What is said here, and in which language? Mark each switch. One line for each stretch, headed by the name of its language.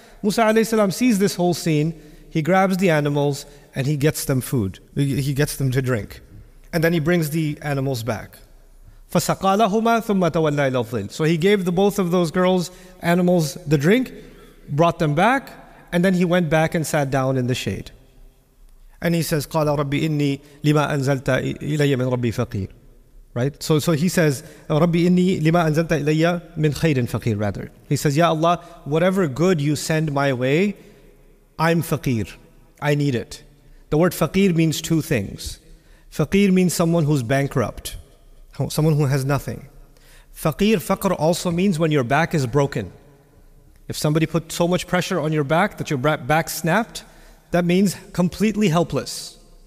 English: Musa alayhi salam sees this whole scene. He grabs the animals and he gets them food. He gets them to drink. And then he brings the animals back.
Arabic: فَسَقَى لَهُمَا ثُمَّ تَوَلَّى إِلَى الظِّلِّ.
English: So he gave the both of those girls animals the drink, brought them back, and then he went back and sat down in the shade. And he says,
Arabic: قَالَ رَبِّ إِنِّي لِمَا أَنزَلْتَ إِلَيَّ مِن رَبِّي فَقِيرٌ.
English: Right? So he says,
Arabic: رَبِّ إِنِّي لِمَا أَنزَلْتَ إِلَيَّ مِنْ خَيْرٍ فَقِيرٍ rather.
English: He says, Ya Allah, whatever good you send my way, I'm faqir. I need it. The word faqir means two things. Faqir means someone who's bankrupt, someone who has nothing. Faqir, faqr also means when your back is broken. If somebody put so much pressure on your back that your back snapped, that means completely helpless.